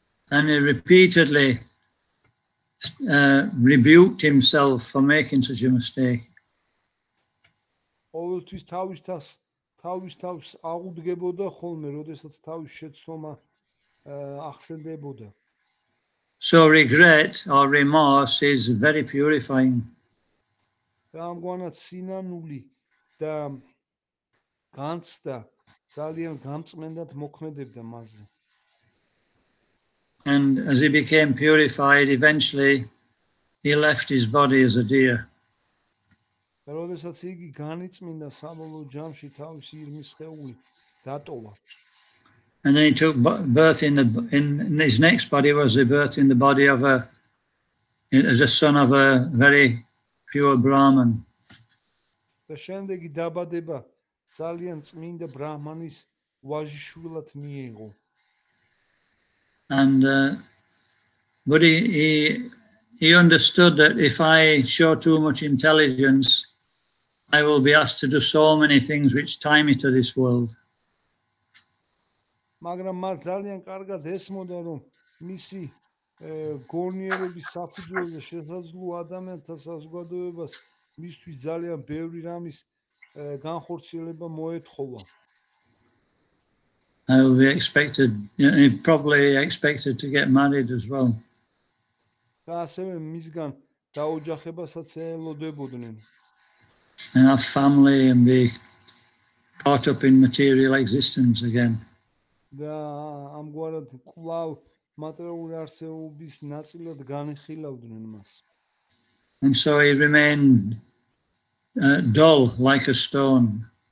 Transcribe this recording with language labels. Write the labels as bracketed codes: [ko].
[en] And he repeatedly rebuked himself for making such a mistake. [ka] ყოველთვის თავისთავად თავის თავს აღუდგებოდა ხოლმე, როდესაც თავის შეცდომა ახსენდებოდა. [en] So regret or remorse is very purifying. [ka] რამგვარად სინანული და განცდა ძალიან გამწმენდად მოქმედებდა მასზე. [en] And as he became purified, eventually he left his body as a deer. [ka] როდესაც იგი განიწმინდა საბოლოო ჯამში თავისი ირმის სხეული დატოვა. [en] And then he took birth in his next body was a birth in the body of as a son of a very pure Brahman. [ka] და შემდეგი დაბადება ძალიან წმინდა ბრაჰმანის ვაჟიშვილად მიიღო. [en] And but he understood that if I show too much intelligence, I will be asked to do so many things which tie me to this world. [ka] მაგრამ მას ძალიან კარგად ესმოდა რომ მისი გონიერების საფუძველზე შესაძლო ადამიანთა საზოგადოებას მისთვის ძალიან ბევრი რამის განხორციელება მოეთხოვა. [en] I will be expected, you know, probably expected to get married as well. [ka] და ასევე მისგან დაოჯახებასაც ელოდებოდნენ. [en] And have family and be caught up in material existence again. [ka] და ამგვარად კვლავ მატერიული არსებობის ნაწილად განეხილავდნენ მას. [en] And so he remained dull like a stone.